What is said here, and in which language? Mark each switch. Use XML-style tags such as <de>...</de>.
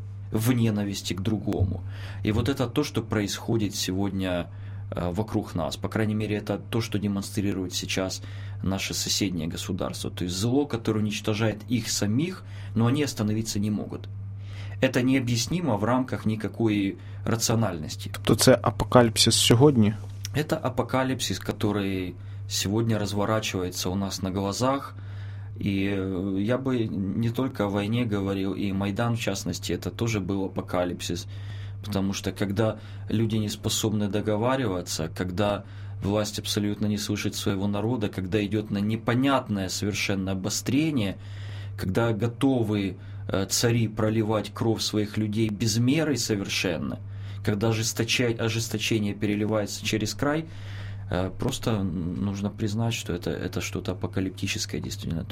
<ru>в ненависти к другому. И вот это то, что происходит сегодня вокруг нас. По крайней мере, это то, что демонстрирует сейчас наше соседнее государство. То есть зло, которое уничтожает их самих, но они остановиться не могут. Это необъяснимо в рамках никакой рациональности.</ru> <uk>Тобто це апокаліпсис сьогодні?</uk> <ru>Это апокаліпсис, который сегодня разворачивается у нас на глазах. И я бы не только о войне говорил, и Майдан, в частности, это тоже был апокаліпсис. Потому что когда люди не способны договариваться, когда власть абсолютно не слышит своего народа, когда идет на непонятное совершенно обострение, когда готовы цари проливать кровь своих людей без меры совершенно, когда ожесточение переливается через край, просто нужно признать, что это что-то апокалиптическое действительно.</ru>